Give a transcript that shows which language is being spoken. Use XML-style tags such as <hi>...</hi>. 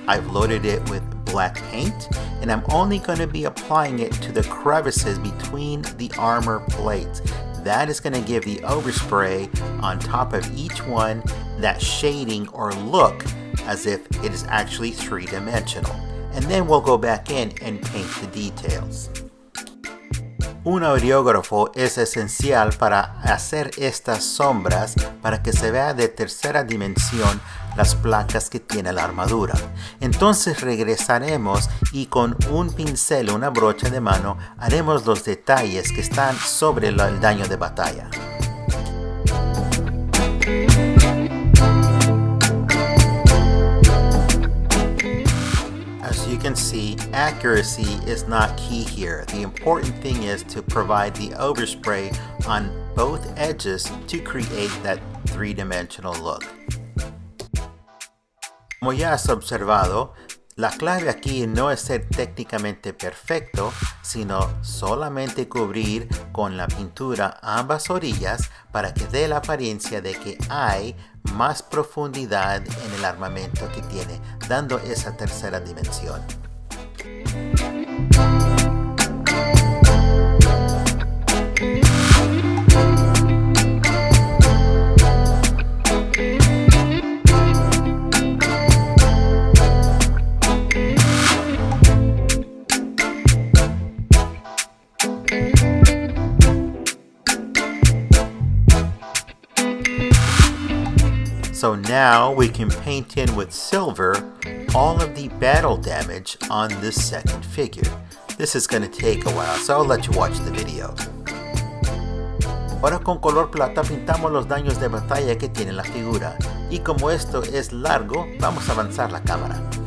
<en>I've loaded it with black paint, and I'm only going to be applying it to the crevices between the armor plates. That is going to give the overspray on top of each one that shading or look as if it is actually three-dimensional. And then we'll go back in and paint the details.</en> <es>Un aerógrafo es esencial para hacer estas sombras para que se vea de tercera dimensión las placas que tiene la armadura. Entonces regresaremos y con un pincel, una brocha de mano, haremos los detalles que están sobre el daño de batalla.</es> <en>You can see accuracy is not key here. The important thing is to provide the overspray on both edges to create that three-dimensional look.</en> <es>Como ya has observado, la clave aquí no es ser técnicamente perfecto, sino solamente cubrir con la pintura ambas orillas para que dé la apariencia de que hay más profundidad en el armamento que tiene, dando esa tercera dimensión.</es> <en>So now we can paint in with silver all of the battle damage on this second figure. This is going to take a while, so I'll let you watch the video.</en> <es>Ahora con color plata pintamos los daños de batalla que tiene la figura. Y como esto es largo, vamos a avanzar la cámara.</es>